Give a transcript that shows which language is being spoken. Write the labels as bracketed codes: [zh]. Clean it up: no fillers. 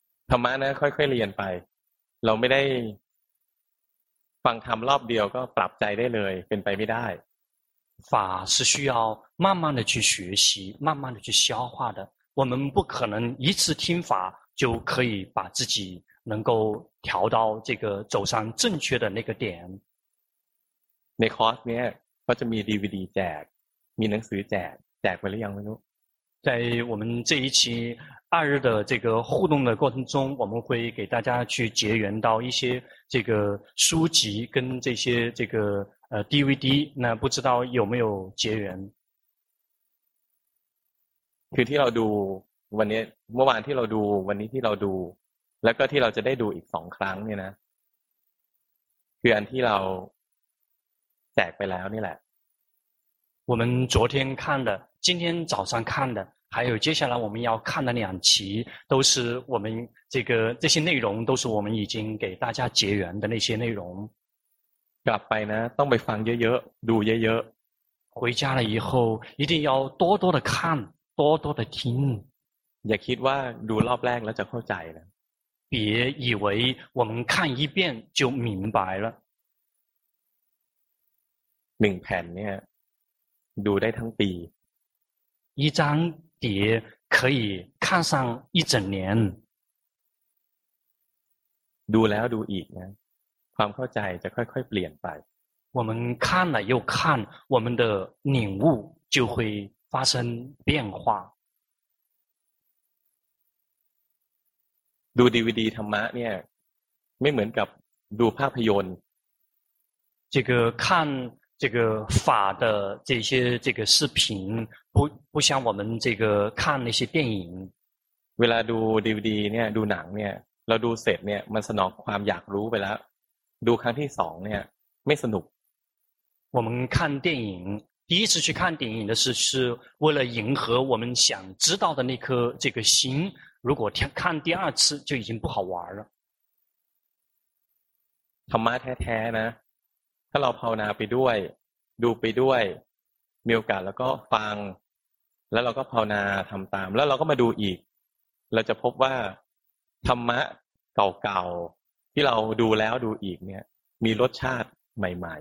[th] ธรรมะนะค่อยๆเรียนไปเราไม่ได้ฟังธรรมรอบเดียวก็ปรับใจได้เลยเป็นไปไม่ได้ [zh] 法是需要慢慢的去学习慢慢的去消化的我们不可能一次听法就可以把自己能够调到这个走上正确的那个点 [th] ในคอร์สเนี้ยก็จะมี DVD แจกมีหนังสือแจกแจกไปหรือยังไม่รู้ [zh] 在我们这一期二日的这个互动的过程中我们会给大家去结缘到一些这个书籍跟这些这个DVD 那不知道有没有结缘 [th] คือที่เราดูวันนี้เมื่อวานที่เราดูวันนี้ที่เราดูแล้วก็ที่เราจะได้ดูอีกสองครั้งเนี่ยนะคืออันที่เราแจกไปแล้วนี่แหละ [zh] 我们昨天看的今天早上看的还有接下来我们要看的两期都是我们这个这些内容都是我们已经给大家结缘的那些内容 [th] กลับไปนะต้องไปฟังเยอะๆดูเยอะ [zh] ๆ回家了以后一定要多多的看多多的听 [th] อย่าคิดว่าดูรอบแรกแล้วจะเข้าใจนะ [zh] 别以为我们看一遍就明白了 [th] หนึ่งแผ่นเนี่ยดูได้ทั้งปี [zh] 一张碟可以看上一整年 [th] ดูแล้วดูอีกนะความเข้าใจจะค่อยๆเปลี่ยนไป [zh] 我们看了又看我们的领悟就会发生变化 [th] ดู DVD ธรรมะเนี่ยไม่เหมือนกับดูภาพยนตร์ [zh] 这个看这个法的这些这个视频不像我们这个看那些电影 [th] เวลาดู DVD เนี่ยดูหนังเนี่ยเราดูเสร็จเนี่ยมันสนองความอยากรู้ไปแล้วดูครั้งที่สองเนี่ยไม่สนุก [zh] 我们看电影第一次去看电影的时候是为了迎合我们想知道的那颗这个心如果看第二次就已经不好玩了 [th] ธรรมะแท้ๆนะถ้าเราภาวนาไปด้วยดูไปด้วยมีโอกาสแล้วก็ฟังแล้วเราก็ภาวนาทำตามแล้วเราก็มาดูอีกเราจะพบว่าธรรมะเก่าๆที่เราดูแล้วดูอีกเนี่ยมีรสชาติใหม่